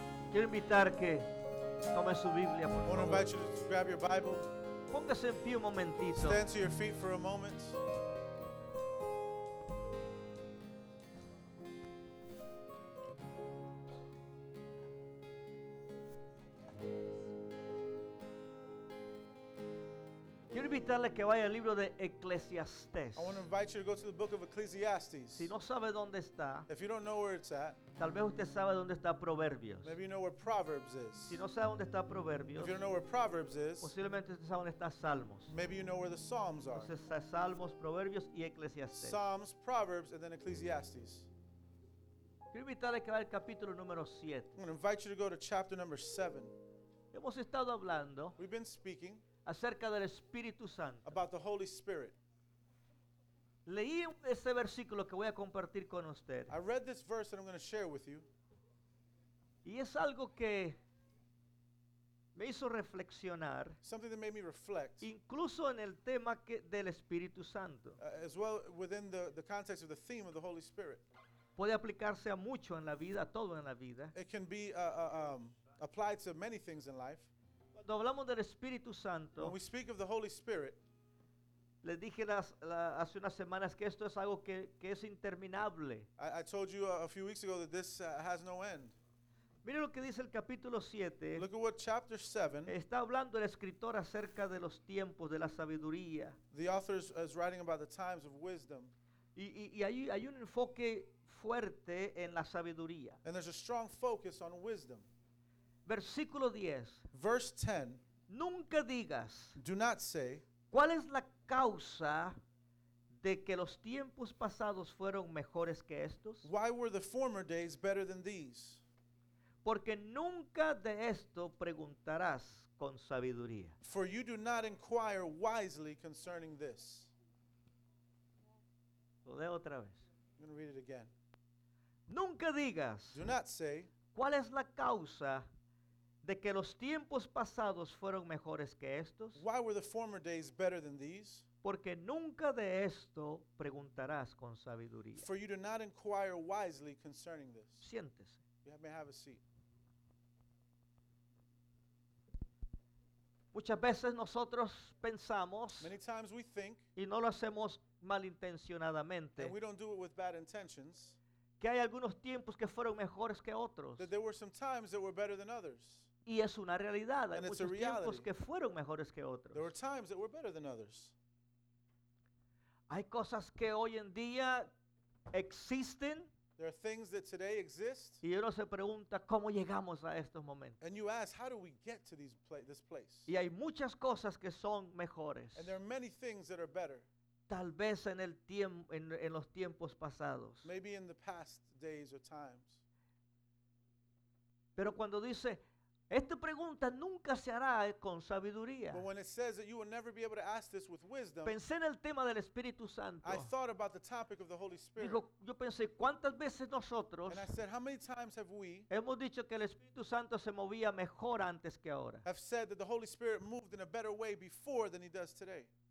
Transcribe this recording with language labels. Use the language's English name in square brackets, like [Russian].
[Spanish] Quiero invitar que tome su Biblia, por favor. [English] I want to invite you to grab your Bible. [Spanish] Póngase en pie un momentito. [English] Stand to your feet for a moment. [Spanish] Invitarle que vaya al libro de Eclesiastés. [English] I want to invite you to go to the book of Ecclesiastes. [Spanish] Si no sabe dónde está, [English] if you don't know where it's at, [Spanish] tal vez usted sabe dónde está Proverbios. [English] Maybe you know where Proverbs is. [Spanish] Si no sabe dónde está Proverbios, [English] if you don't know where Proverbs is, [Spanish] posiblemente usted sabe dónde está Salmos. [English] Maybe you know where the Psalms are. [Spanish] Entonces está Salmos, Proverbios y Eclesiastés. [English] Psalms, Proverbs, and then Ecclesiastes. [Spanish] Quiero invitarle que vaya al capítulo número 7. [English] I'm going to invite you to go to chapter number 7. [Spanish] Hemos estado hablando. [English] We've been speaking. [Spanish] Acerca del Espíritu Santo. [English] About the Holy Spirit. [Spanish] Leí ese versículo que voy a compartir con usted. [English] I read this verse that I'm going to share with you. [Spanish] Y es algo que me hizo reflexionar. [English] Something that made me reflect. [Spanish] Incluso en el tema que del Espíritu Santo. [English] As well within the context of the theme of the Holy Spirit. [Spanish] Puede aplicarse a mucho en la vida, a todo en la vida. [English] It can be applied to many things in life. [Spanish] Cuando hablamos del Espíritu Santo, [English] when we speak of the Holy Spirit, [Spanish] les dije hace unas semanas que esto es algo que es interminable. [English] I told you a few weeks ago that this has no end. [Spanish] Mire lo que dice el capítulo 7. [English] Look at what chapter 7. [Spanish] Está hablando el escritor acerca de los tiempos de la sabiduría. [English] The author is writing about the times of wisdom. [Spanish] Y hay un enfoque fuerte en la sabiduría. [English] And there's a strong focus on wisdom. [Spanish] Versículo 10. [English] Verse 10. [Spanish] Nunca digas. [English] Do not say. [Spanish] ¿Cuál es la causa de que los tiempos pasados fueron mejores que estos? [English] Why were the former days better than these? [Spanish] Porque nunca de esto preguntarás con sabiduría. [English] For you do not inquire wisely concerning this. [Spanish] Lo leo otra vez. [English] I'm going to read it again. [Spanish] Nunca digas. [English] Do not say. [Spanish] ¿Cuál es la causa de que los tiempos pasados fueron mejores que estos? [English] Why were the former days better than these? [Spanish] Porque nunca de esto preguntarás con sabiduría. [English] For you do not inquire wisely concerning this. [Spanish] Siéntese. [English] You may have a seat. [Spanish] Muchas veces nosotros pensamos, [English] many times we think, [Spanish] y no lo hacemos malintencionadamente, [English] and we don't do it with bad intentions, [Spanish] que hay algunos tiempos que fueron mejores que otros. [English] That there were some times that were better than others. [Spanish] Y es una realidad. Hay muchos tiempos que fueron mejores que otros. [English] There were times that were better than others. [Spanish] Hay cosas que hoy en día existen. [English] There are things that today exist. [Spanish] Y uno se pregunta, ¿cómo llegamos a estos momentos? [English] And you ask, how do we get to this place? [Spanish] Y hay muchas cosas que son mejores. [English] And there are many things that are better. [Spanish] Tal vez en el tiempo, en los tiempos pasados. [English] Maybe in the past days or times. [Spanish] Pero cuando dice, esta pregunta nunca se hará con sabiduría. [English] But when it says that you will never be able to ask this with wisdom. [Spanish] Pensé en el tema del Espíritu Santo. [English] I thought about the topic of the Holy Spirit. [Spanish] Dijo, yo pensé, ¿cuántas veces nosotros? [English] And I said, how many times have we? [Spanish] Hemos dicho que el Espíritu Santo se movía mejor antes que ahora. [English] Have said that the Holy Spirit moved in a better way before than he does today.